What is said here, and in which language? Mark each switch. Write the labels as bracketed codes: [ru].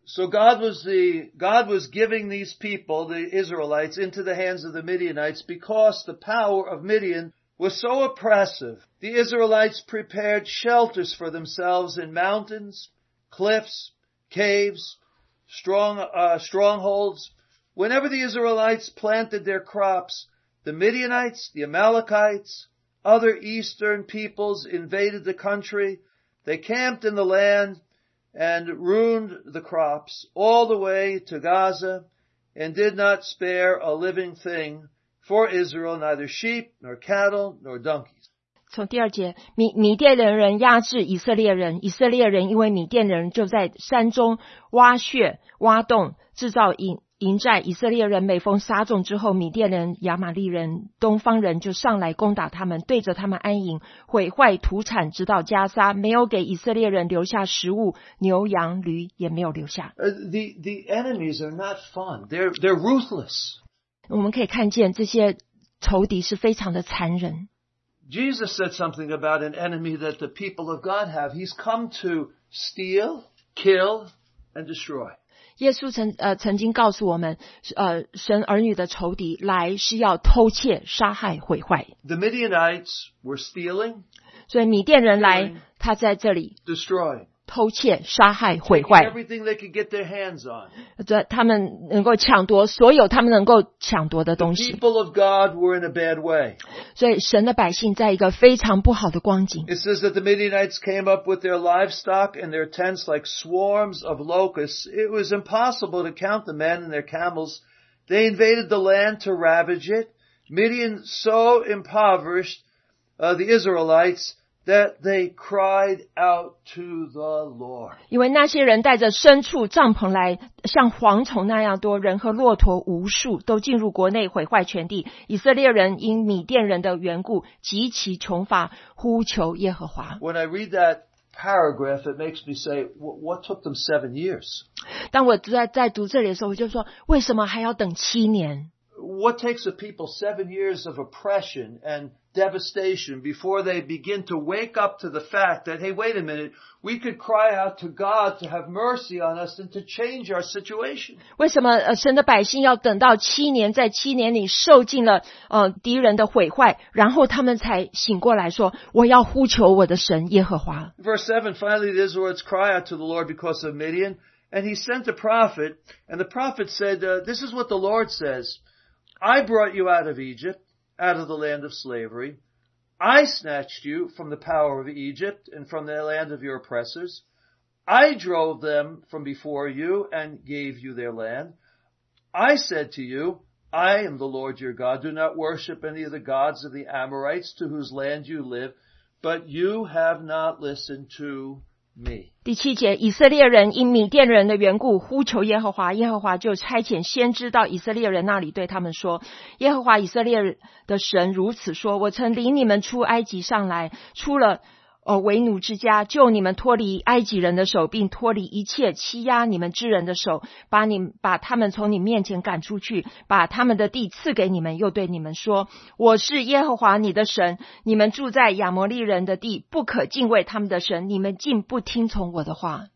[en] So God was giving these people, the Israelites, into the hands of the Midianites because the power of Midian was so oppressive. The Israelites prepared shelters for themselves in mountains, cliffs, caves, strongholds. Whenever the Israelites planted their crops, the Midianites, the Amalekites, other eastern peoples invaded the country. They camped in the land. And ruined the crops all the way to Gaza and did not spare a living thing for Israel, neither sheep nor cattle nor donkeys. [zh] 从第二节，米甸人压制以色列人，以色列人因为米甸人就在山中挖穴、挖洞，制造营寨。以色列人每逢撒种之后，米甸人、亚玛利人、东方人就上来攻打他们，对着他们安营，毁坏土产，直到加沙，没有给以色列人留下食物，牛羊驴也没有留下。 [en] The enemies are not fun. They're ruthless. [zh] 我们可以看见这些仇敌是非常的残忍。 [en] Jesus said something about an enemy that the people of God have. He's come to steal, kill, and destroy. [zh] 耶稣曾经告诉我们，神儿女的仇敌来是要偷窃、杀害、毁坏。 [en] The Midianites were stealing. [zh] 所以米甸人来，他在这里 [en] destroy [zh] 偷窃、杀害、毁坏。 [en] Everything they could get their hands on. [zh] 他们能够抢夺所有他们能够抢夺的东西。 [en] The people of God were in a bad way. [zh] 所以神的百姓在一个非常不好的光景。 [en] It says that the Midianites came up with their livestock and their tents like swarms of locusts. It was impossible to count the men and their camels. They invaded the land to ravage it. Midian so impoverished, the Israelites,That they cried out to the Lord. [zh] 因为那些人带着牲畜帐篷来，像蝗虫那样多，人和骆驼无数，都进入国内毁坏全地。以色列人因米甸人的缘故极其穷乏，呼求耶和华。 [en] When I read that paragraph, it makes me say, "What took them 7 years?" [zh] 当我在读这里的时候，我就说，为什么还要等七年？ [en] What takes a people 7 years of oppression and devastation before they begin to wake up to the fact that, hey, wait a minute, we could cry out to God to have mercy on us and to change our situation. [zh] 为什么神的百姓要等到七年，在七年里受尽了敌人的毁坏，然后他们才醒过来说，我要呼求我的神耶和华。 [en] Verse 7, finally the Israelites cry out to the Lord because of Midian, and he sent a prophet, and the prophet said, this is what the Lord says, I brought you out of Egypt, out of the land of slavery. I snatched you from the power of Egypt and from the land of your oppressors. I drove them from before you and gave you their land. I said to you, I am the Lord your God. Do not worship any of the gods of the Amorites to whose land you live, but you have not listened to me. [zh] 第七节，以色列人因米甸人的缘故呼求耶和华，耶和华就差遣先知到以色列人那里对他们说，耶和华以色列的神如此说，我曾领你们出埃及上来，出了为奴之家，救你们脱离埃及人的手，并脱离一切欺压你们之人的手，把他们从你面前赶出去，把他们的地赐给你们，又对你们说，我是耶和华你的神，你们住在亚摩利人的地，不可敬畏他们的神，你们竟不听从我的话。